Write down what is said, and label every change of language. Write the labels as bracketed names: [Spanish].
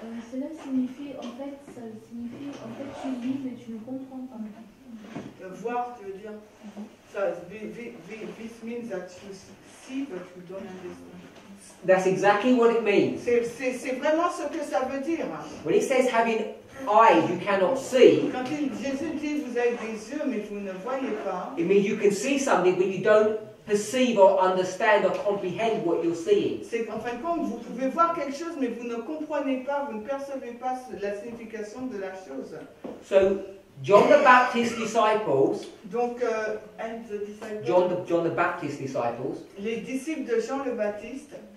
[French] Cela signifie, en fait, ça signifie, en fait, tu lis, mais tu ne comprends pas. Voir, tu veux dire. [English] So, this means that you see, but you don't understand. That's exactly what it means. [French] C'est vraiment ce que ça veut dire. [English] When it says having eyes, you cannot see. [French] Quand Jésus dit, vous avez des yeux, mais vous ne voyez pas. [English] It means you can see something, but you don't perceive or understand or comprehend what you're seeing. [French] C'est en fin de compte, vous pouvez voir quelque chose, mais vous ne comprenez pas, vous ne percevez pas la signification de la chose. [English] So, John the Baptist disciples. Donc, and the disciples. John the Baptist disciples. [French] Les disciples de Jean le Baptiste.